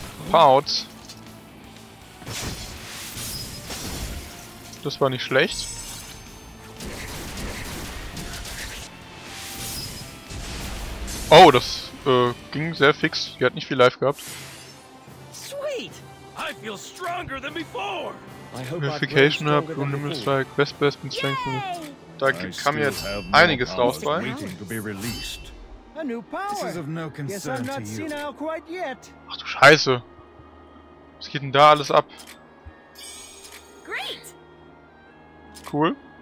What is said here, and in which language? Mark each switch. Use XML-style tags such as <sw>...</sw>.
<de>Pouts. Das war nicht schlecht. Oh, das ging sehr fix. Die hat nicht viel Life gehabt.</de> <en>Sweet! I feel stronger than before! Purification Herb, Blue Nimble Strike, Best Best and Strength.</en> <de>Da kam jetzt einiges raus bei. Ach du Scheiße! Was geht denn da alles ab? Cool.</de>